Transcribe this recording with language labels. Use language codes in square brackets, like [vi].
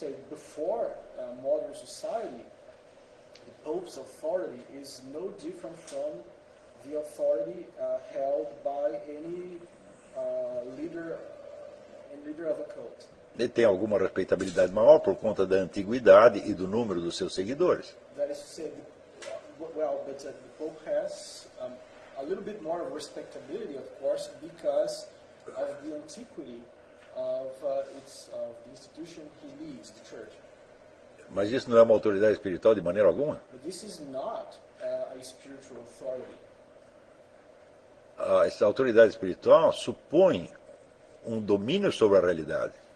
[en] Before modern society, the Pope's authority is no different from the authority held by any leader of a cult. [pt] Ele tem alguma respeitabilidade maior por conta da antiguidade e do número dos seus seguidores. [en] That is to say, the Pope has a little bit more respectability, of course, because of the antiquity of the institution he leads, the church. [pt] Mas isso não é uma autoridade espiritual de maneira alguma? [en] But this is not a spiritual authority. [pt] Essa autoridade espiritual supõe um domínio sobre a realidade.